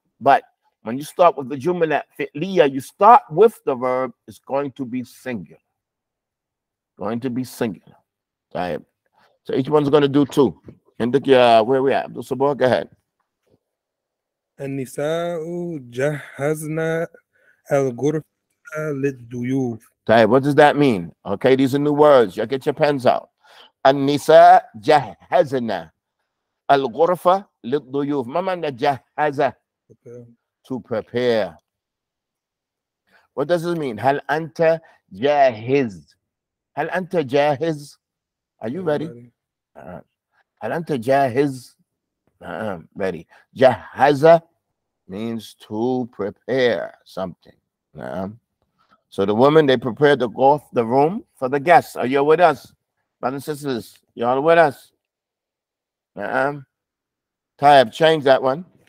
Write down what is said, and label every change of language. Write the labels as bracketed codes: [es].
[en] But when you start with the jumla fi'liya, you start with the verb, it's going to be singular. Going to be singular. Right. So each one's going to do two. Indikya, where we at? Abdul Sabor, go ahead. [ar] An-nisa'u jahazna al-gurfa lid-duyuf. [en] Right. What does that mean? Okay, these are new words. You get your pens out. [ar] النساء جهزنا الغرفة للضيوف. ما معنى جهزة؟ [en] To prepare. What does it mean? [ar] هل أنت جاهز؟ هل أنت جاهز؟ [en] Are you ready? [ar] هل أنت جاهز؟ [en] Ready. جهزة means to prepare something. So the women, they prepare the room for the guests. Are you with us? Brothers and sisters, y'all with us? Tayyip, change that one.